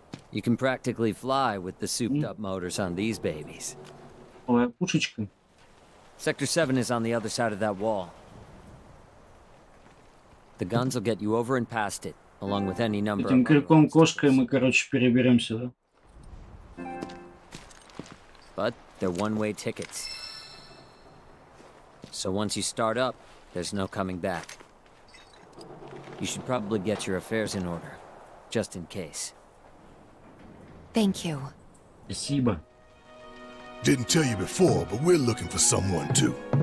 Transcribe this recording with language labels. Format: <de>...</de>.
<en>You can practically fly with the souped-up motors on these babies. Sector 7 is on the other side of that wall. The guns will get you over and past it, along with any number of...</en> <ru>крюком-кошкой мы, короче, переберемся, да?</ru> <en>But they're one-way tickets. So once you start up, there's no coming back. You should probably get your affairs in order, just in case. Thank you.</en> <ru>Спасибо.</ru> <en>Didn't tell you before, but we're looking for someone too.</en>